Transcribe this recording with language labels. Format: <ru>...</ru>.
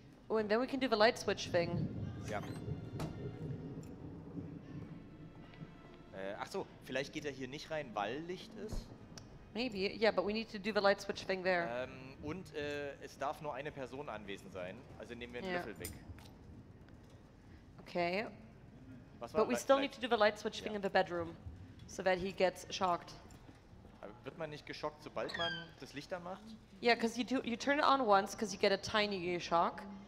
<en>Oh, and then we can do the light switch thing. Yeah.</en> <de>Ach so, vielleicht geht er hier nicht rein, weil Licht ist?</de> <en>Maybe, yeah, but we need to do the light switch thing there.</en> <de>Und es darf nur eine Person anwesend sein. Also nehmen wir einen Löffel weg.</de> <en>Okay. But we still need to do the light switch thing in the bedroom, so that he gets shocked.</en> <de>Wird man nicht geschockt, sobald man das Licht anmacht?</de> <en>Yeah, because you turn it on once, because you get a tiny shock.</en>